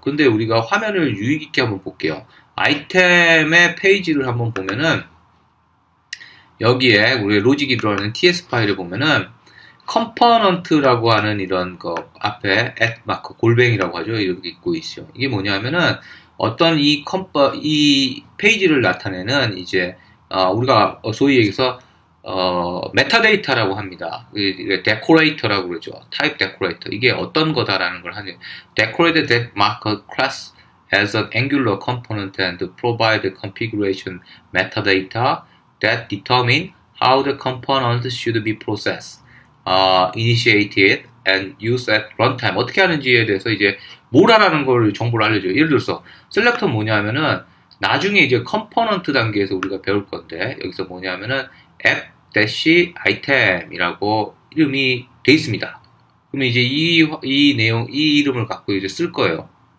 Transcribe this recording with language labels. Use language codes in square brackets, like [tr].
[ko] 근데 우리가 화면을 유의 깊게 한번 볼게요. 아이템의 페이지를 한번 보면은 여기에 우리 로직이 들어가는 TS 파일을 보면은 컴포넌트라고 하는 이런 거 앞에 at 마크 골뱅이라고 하죠. 이렇게 있고 있어요. 이게 뭐냐면은 어떤 이 컴퍼 이 페이지를 나타내는 이제 우리가 소위 얘기해서 메타데이터라고 합니다. 데코레이터라고 그러죠. 타입 데코레이터. 이게 어떤 거다라는 걸 하는. [en] Decorated that marker class as an angular component and provide the configuration metadata that determine how the component should be processed, initiated and used at runtime. [ko] 어떻게 하는지에 대해서 이제 뭐라라는 걸 정보를 알려줘요. 예를 들어서, selector 뭐냐면은 나중에 이제 컴포넌트 단계에서 우리가 배울 건데, 여기서 뭐냐면은 앱 대시 아이템이라고 이름이 돼 있습니다. 그러면 이제 이 내용, 이 이름을 갖고 이제 쓸 거예요.